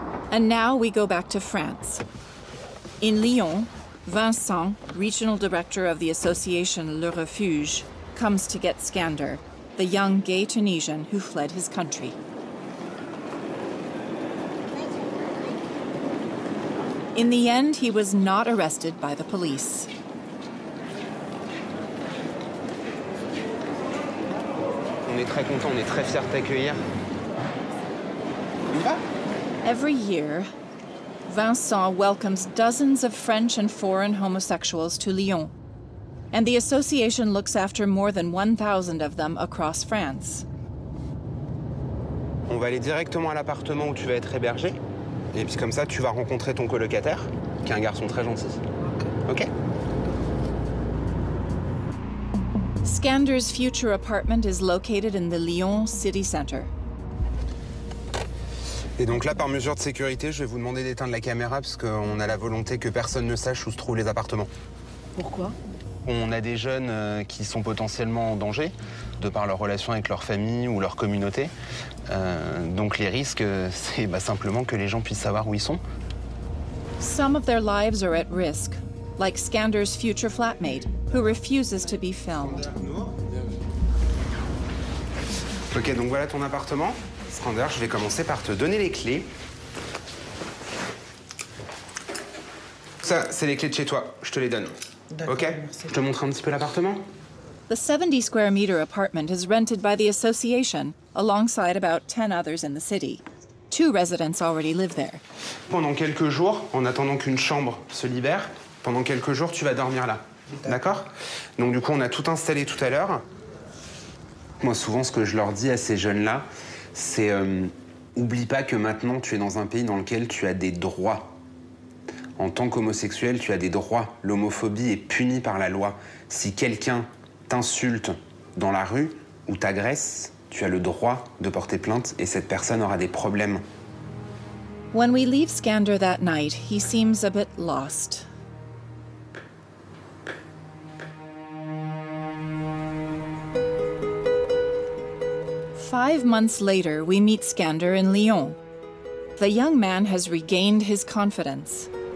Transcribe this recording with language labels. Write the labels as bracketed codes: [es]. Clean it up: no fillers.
[en] And now we go back to France. In Lyon, Vincent, regional director of the association Le Refuge, comes to get Skander, the young gay Tunisian who fled his country. In the end, he was not arrested by the police. [fr] On est très content, on est très fiers de t'accueillir. [en] Every year, Vincent welcomes dozens of French and foreign homosexuals to Lyon, and the association looks after more than 1,000 of them across France. [fr] On va aller directement à l'appartement où tu vas être hébergé, et puis comme ça, tu vas rencontrer ton colocataire, qui est un garçon très gentil. [en] Okay. Skander's future apartment is located in the Lyon city center. [fr] Et donc là, par mesure de sécurité, je vais vous demander d'éteindre la caméra parce qu'on a la volonté que personne ne sache où se trouvent les appartements. Pourquoi ? On a des jeunes qui sont potentiellement en danger de par leur relation avec leur famille ou leur communauté. Donc les risques, c'est simplement que les gens puissent savoir où ils sont. [en] Some of their lives are at risk, like Skander's future flatmate, who refuses to be filmed. [fr] OK, donc voilà ton appartement. Skander, je vais commencer par te donner les clés. Ça, c'est les clés de chez toi. Je te les donne. D'accord, OK. Merci. Je te montre un petit peu l'appartement. [en] The 70 square meter apartment is rented by the association alongside about 10 others in the city. Two residents already live there. [fr] Pendant quelques jours, en attendant qu'une chambre se libère, pendant quelques jours, tu vas dormir là. D'accord ? Donc du coup, on a tout installé tout à l'heure. Moi, souvent, ce que je leur dis à ces jeunes-là, c'est oublie pas que maintenant, tu es dans un pays dans lequel tu as des droits. En tant qu'homosexuel, tu as des droits. L'homophobie est punie par la loi. Si quelqu'un t'insulte dans la rue ou t'agresse, tu as le droit de porter plainte et cette personne aura des problèmes. [en] When we leave Skander that night, he seems a bit lost. Five months later, we meet Skander in Lyon. The young man has regained his confidence.